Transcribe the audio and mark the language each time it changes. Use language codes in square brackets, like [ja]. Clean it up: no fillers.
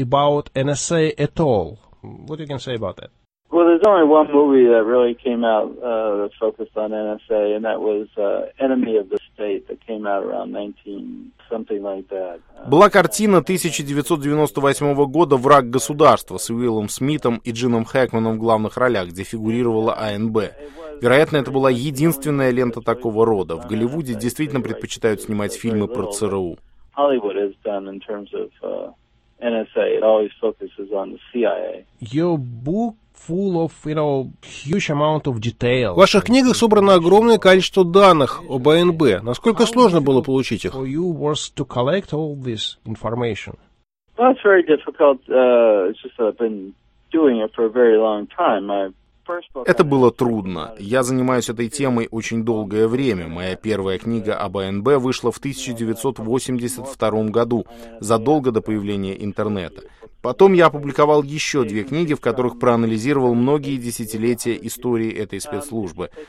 [en] What you can say about that? Well, there's only one movie that really came out that's focused on NSA, and that was Enemy of the State that came out around 19-something like that. [ru] Была картина 1998 года «Враг государства» с Уиллом Смитом и Джином Хэкманом в главных ролях, где фигурировала АНБ. Вероятно, это была единственная лента такого рода. В Голливуде действительно предпочитают снимать фильмы про ЦРУ. [en] Hollywood has done in terms of NSA, it always focuses on the CIA. Your book full of, you know, huge amount of details. [ru] В ваших книгах собрано огромное количество данных об АНБ. Насколько сложно было получить их? [en] For you was to collect all this information. Well, it's very difficult. It's just that I've been doing it for a very long time. [ru] Это было трудно. Я занимаюсь этой темой очень долгое время. Моя первая книга об АНБ вышла в 1982 году, задолго до появления интернета. Потом я опубликовал еще две книги, в которых проанализировал многие десятилетия истории этой спецслужбы.